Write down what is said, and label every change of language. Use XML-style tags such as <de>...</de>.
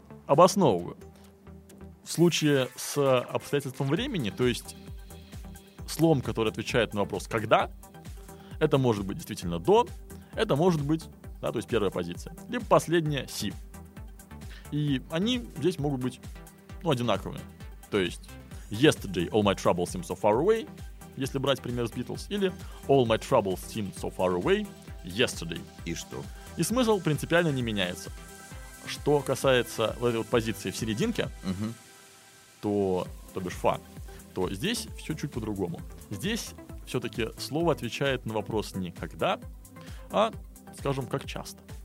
<ru>Обосновываю. В случае с обстоятельством времени, то есть словом, который отвечает на вопрос «когда», это может быть действительно «до», это может быть, да, то есть первая позиция, либо последняя «си». И они здесь могут быть, ну, одинаковыми. То есть</ru> <en>«yesterday all my troubles seem so far away»,</en> <ru>если брать пример с Beatles, или</ru> <en>«All my troubles seem so far away yesterday».</en> <ru>И что? И смысл принципиально не меняется. Что касается вот этой вот позиции в серединке, то бишь «фа», то здесь все чуть по-другому. Здесь все-таки слово отвечает на вопрос не «когда», а, скажем, «как часто».</ru>